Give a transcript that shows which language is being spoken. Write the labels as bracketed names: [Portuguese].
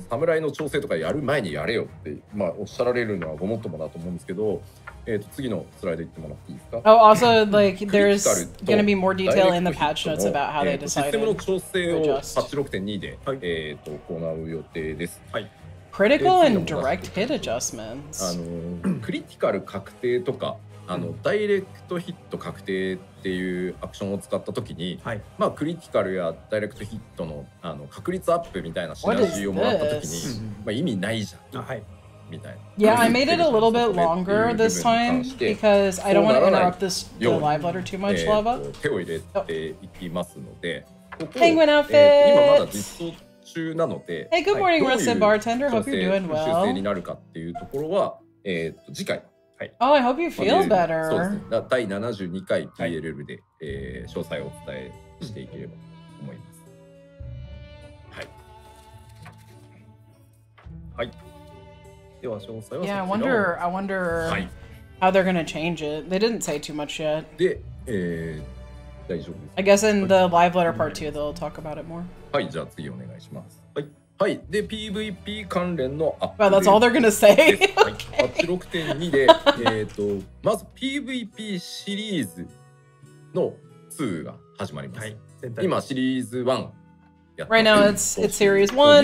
[Japanese] 侍の調整とかやる前にやれよって、まあ、おっしゃられるのはごもっともだと思うんですけど、次のスライド行ってもらっていいですか。 [English] Oh, also, like, there's gonna be more detail in the patch notes about how they decided. [Japanese] システムの調整を 86.2 で、行う予定です。はい、 [English] Critical and direct hit adjustments. [Japanese] クリティカル確定とか、ダイレクトヒット確定っていうアクションを使った時に、はい、まあ、クリティカルやダイレクトヒット の確率アップみたいなシナジーをもらった時に、まあ、意味ないじゃん、はい、みたいな。 [English] Yeah, I made it a little bit longer this time because I don't want to interrupt this the live letter too much, Lava. [Japanese] 手を入れていきますので、 [English] Penguin outfit! [Japanese] 今まだ実装中なので、 [English] Hey, good morning, Rusted Bartender. Hope you're doing well. [Japanese] 修正になるかっていうところは、次回。はい、 [English] oh, I hope you feel better. [Japanese] そうですね。第72回 PLL で、はい、詳細をお伝えしていければと思います。はい。はい。では詳細は。 [English] Yeah, I wonder、はい、how they're gonna change it. They didn't say too much yet. [Japanese] で、大丈夫です。 [English] I guess in the live letter part 2 they'll talk about it more. [Japanese] はい、じゃあ次お願いします。はい、で PVP 関連のアップ [English] デート。Well, that's all they're gonna say. [Japanese] 86.2 で、まず PVP シリーズの2が始まります。はい、今シリーズ1 やってる。 [English] Right now it's series 1.